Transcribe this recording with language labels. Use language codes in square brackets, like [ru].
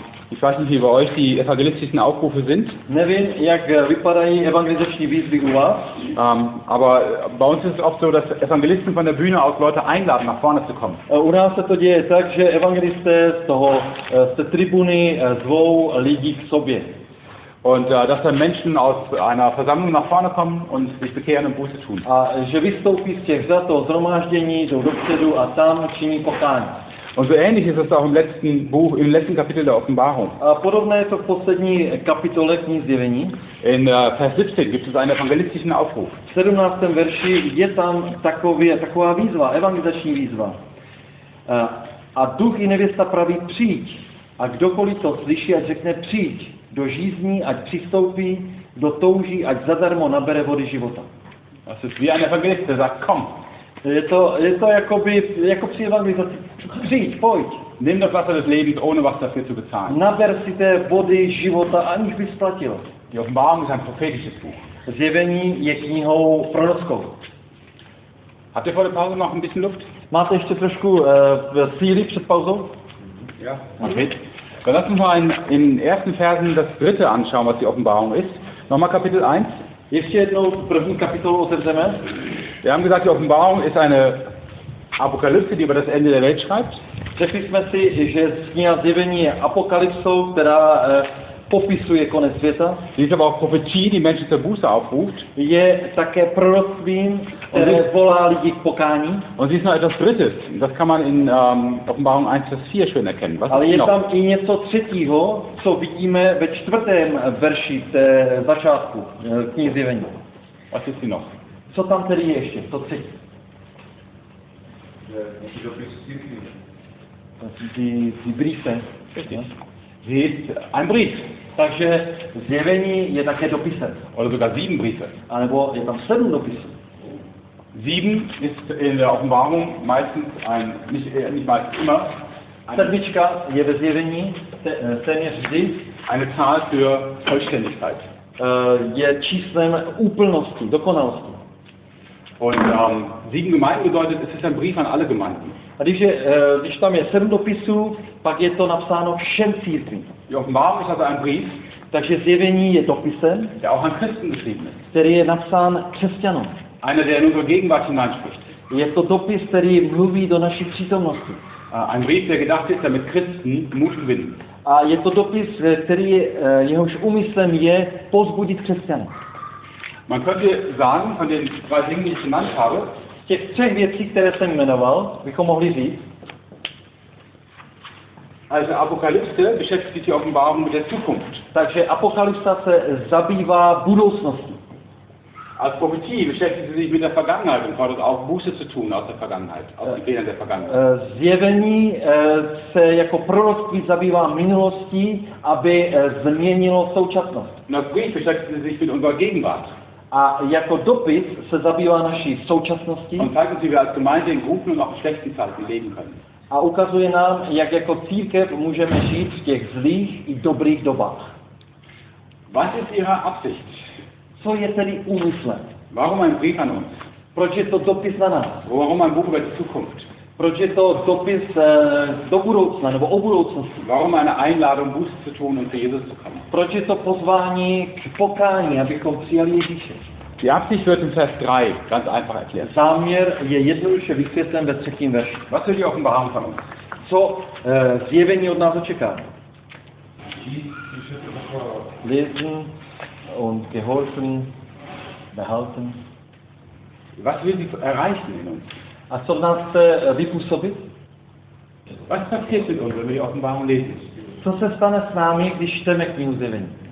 [de] Ich weiß nicht, wie bei euch die evangelistischen Aufrufe sind. [cs] Nevím, jak vypadají evangelizační výzvy u vás. [de] Aber bei uns ist es oft so, dass Evangelisten von der Bühne aus Leute einladen, nach vorne zu kommen. [cs] U nás se to děje tak, že evangelisté z toho z tribuny zvou lidi k sobě. [de] Und dass dann Menschen aus einer Versammlung nach vorne kommen und sich bekehren und Buße tun. [cs] A že vystoupí z těch za toho zhromáždění, jdou dopředu a tam činí pokání. [de] Und so ähnlich ist es auch im letzten Buch, im letzten Kapitel der Offenbarung. [cs] A podobné je to v poslední kapitole knihy Zjevení. [de] In Vers 17 gibt es einen evangelistischen Aufruf. [cs] V 17. verši je tam taková výzva, evangelizační výzva. A duch i nevěsta praví přijď. A kdokoliv to slyší, ať řekne přijď. Kdo žízní, ať přistoupí, kdo touží, ať zadarmo nabere vody života. [de] Das ist wie ein Evangelist, der sagt, komm. [cs] Je to jakoby, jako při evangelizaci. Přijď, pojď. [de] Nimm das Wasser des Lebens, ohne was dafür zu bezahlen. [cs] Naber si té vody života, aniž bys platil. [de] Die Offenbarung ist ein prophetisches Buch. [cs] Zjevení je knihou prorockou. [de] Habt ihr vor der Pause noch ein bisschen Luft? [cs] Máte ještě trošku síly před pauzou? [de] Ja. Okay. Dann lassen wir in ersten Versen das dritte anschauen, was die Offenbarung ist. Nochmal Kapitel 1. [cs] Ještě jednou první kapitolu otevřeme. [de] Wir haben gesagt, die Offenbarung ist eine Apokalypse, die über das Ende der Welt schreibt. [cs] Řekli jsme si, že kniha Zjevení je apokalypsou, která popisuje konec světa. [de] Sie ist aber auch Prophetie, die Menschen zur Buße aufruft. [cs] Je také proroctvím, které volá lidi k pokání. [de] Und sie ist noch etwas Drittes. Das kann man in Offenbarung 1, Vers 4 schön erkennen. Was [cs] ale [de] ist [cs] je [de] noch? [cs] Tam i něco třetího, co vidíme ve čtvrtém verši té začátku knihy Zjevení. [de] Was ist sie noch? [cs] Co tam tedy je ještě, to třetí? [de] Die Briefe. Sie ist ein Brief. [cs] Takže Zjevení je také dopisem. [de] Oder sogar sieben Briefe. [cs] Alebo je tam sedm dopisů. [de] Sieben ist in der Offenbarung meistens ein, nicht meistens, immer. [cs] Sedmička je ve Zjevení téměř vždy. [de] Eine Zahl für Vollständigkeit. [cs] Je číslem úplnosti, dokonalosti. [de] Und sieben Gemeinden bedeutet, es ist ein Brief an alle Gemeinden. [cs] A když tam je sedm dopisů, pak je to napsáno všem církvím. [de] Die Offenbarung ist also ein Brief, [cs] takže Zjevení je dopisem, [de] der auch an Christen geschrieben ist. [cs] Který je napsán křesťanům. [de] Einer, der in unsere Gegenwart hineinspricht. [cs] Je to dopis, který mluví do naší přítomnosti. [de] Ein Brief, der gedacht ist, damit Christen Mut gewinnen. [cs] A je to dopis, který jehož úmyslem je pozbudit křesťany. [de] Man könnte sagen, von den drei Dingen, die ich genannt habe, [cs] těch třech věcí, které jsem jmenoval, bychom mohli říct. [de] Also Apokalypse beschäftigt die Offenbarung mit der Zukunft. [cs] Takže Apokalypsa se zabývá budoucností. [de] Als Prophetie beschäftigt sie sich mit der Vergangenheit und fordert auch Buße zu tun aus der Vergangenheit, aus den Fehlern der Vergangenheit. [cs] Zjevení se jako proroctví zabývá minulostí, aby změnilo současnost. [de] Na Brief beschäftigt sie sich mit unserer Gegenwart. [cs] A jako dopis se zabývá naší současností. [de] Und zeigt uns, wie wir als Gemeinde in guten und auch schlechten Zeiten leben können. [cs] A ukazuje nám, jak jako církev můžeme žít v těch zlých i dobrých dobách. [de] Was ist ihre Absicht? [cs] Co je tedy úmyslem? [de] Warum ein Brief an uns? [cs] Proč je to dopis na nás? [de] Warum ein Buch über die Zukunft? [cs] Proč je to dopis do budoucna nebo o budoucnosti? [de] Warum eine Einladung, Buße zu tun und für Jesus zu kommen? [cs] Proč je to pozvání k pokání, abychom přijali Ježíše? [de] Die Absicht wird in Vers 3 ganz einfach erklärt. [cs] Záměr je jednoduše vysvětlen ve třetím verši. [de] Was will die Offenbarung von uns? [cs] Co Zjevení od nás očeká? [de] Lesen und geholfen, behalten. Was will sie erreichen in uns? [cs] A co v nás chce vypůsobit? [de] Was passiert mit uns, wenn wir die Offenbarung lesen? [cs] Co se stane s námi, když čteme knihu Zjevení?